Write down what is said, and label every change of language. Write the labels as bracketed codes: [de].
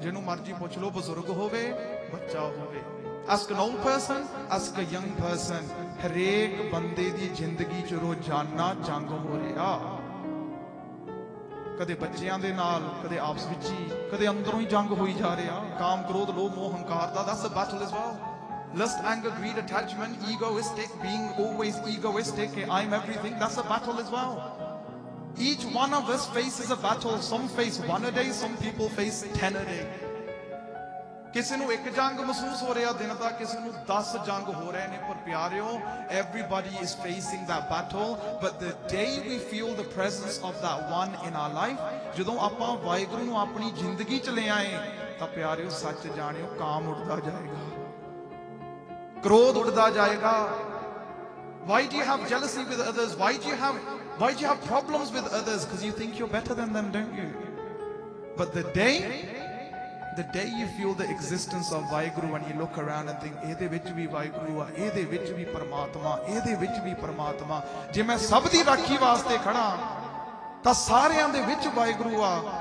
[pa] ਜਿਹਨੂੰ ਮਰਜ਼ੀ ਪੁੱਛ ਲਓ, ਬਜ਼ੁਰਗ ਹੋਵੇ, ਬੱਚਾ ਹੋਵੇ, [en] ask a old person, ask a young person, [pa] ਹਰੇਕ ਬੰਦੇ ਦੀ ਜ਼ਿੰਦਗੀ ਚ ਰੋਜ਼ਾਨਾ ਜੰਗ ਹੋ ਰਿਹਾ. ਕਦੇ ਬੱਚਿਆਂ ਦੇ ਨਾਲ, ਕਦੇ ਆਪਸ ਵਿੱਚ ਹੀ, ਕਦੇ ਅੰਦਰੋਂ ਹੀ ਜੰਗ ਹੋਈ ਜਾ ਰਿਹਾ. ਕਾਮ, ਕ੍ਰੋਧ, ਲੋਭ, ਮੋਹ, ਹੰਕਾਰ ਦਾ, [en] This battle is war. Lust, anger, greed, attachment, egoistic, being always egoistic, I am everything, that's a battle as well. Each one of us faces a battle. Some face one a day, some people face 10 a day. [pa] ਕਿਸੇ ਨੂੰ ਇੱਕ ਜੰਗ ਮਹਿਸੂਸ ਹੋ ਰਿਹਾ ਦਿਨ ਦਾ, ਕਿਸੇ ਨੂੰ 10 ਜੰਗ ਹੋ ਰਹੇ ਨੇ. ਪਰ ਪਿਆਰਿਓ, [en] everybody is facing that battle, but the day we feel the presence of that one in our life, [pa] ਜਦੋਂ ਆਪਾਂ ਵਾਹਿਗੁਰੂ ਨੂੰ ਆਪਣੀ ਜ਼ਿੰਦਗੀ ਚ ਲਿਆਏ, ਤਾਂ ਪਿਆਰਿਓ ਸੱਚ ਜਾਣਿਓ, ਕਾਮ ਉੱਡਦਾ ਜਾਏਗਾ, ਕ੍ਰੋਧ ਉੱਡਦਾ ਜਾਏਗਾ. [en] Why do you have jealousy with others? Why do you have problems with others? Because you think you're better than them, don't you? But the day you feel the existence of Vaheguru, when you look around and think, [pa] ਇਹਦੇ ਵਿੱਚ ਵੀ ਵਾਹਿਗੁਰੂ ਆ, ਇਹਦੇ ਵਿੱਚ ਵੀ ਪਰਮਾਤਮਾ, ਇਹਦੇ ਵਿੱਚ ਵੀ ਪਰਮਾਤਮਾ, ਜੇ ਮੈਂ ਸਭ ਦੀ ਰਾਖੀ ਵਾਸਤੇ ਖੜਾ ਤਾਂ ਸਾਰਿਆਂ ਦੇ ਵਿੱਚ ਵਾਹਿਗੁਰੂ ਆ.